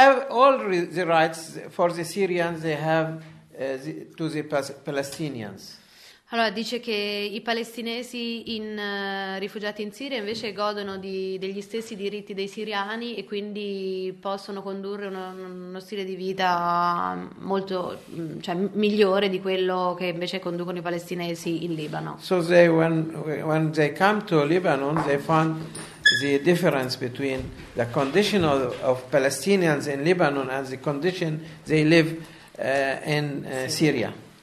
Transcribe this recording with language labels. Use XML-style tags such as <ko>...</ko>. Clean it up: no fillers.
<en>All the rights for the Syrians they have to the Palestinians.</en> <it>Allora dice che i palestinesi rifugiati in Siria invece godono degli stessi diritti dei siriani e quindi possono condurre uno stile di vita molto, cioè, migliore di quello che invece conducono i palestinesi in Libano.</it> <en>So they, when they come to Lebanon, they found the difference between the condition of Palestinians in Lebanon and the condition they live in Syria.</en>